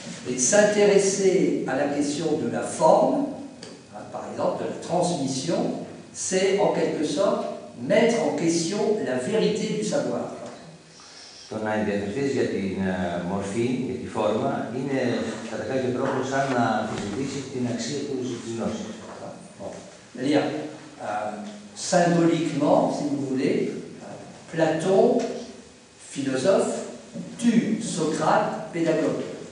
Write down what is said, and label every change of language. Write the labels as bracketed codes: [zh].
[fr] Et s'intéresser à la question de la forme, par exemple, de la transmission, c'est en quelque sorte mettre en question la vérité du savoir. [el] Τώρα η διαδικασία για την μορφή, για τη φόρμα, είναι κατά κάποιο τρόπο σαν να αμφισβητήσει την αξία του γνώσης. Λοιπόν, [fr] symboliquement, si vous voulez, Platon, philosophe, tue Socrate, pédagogue.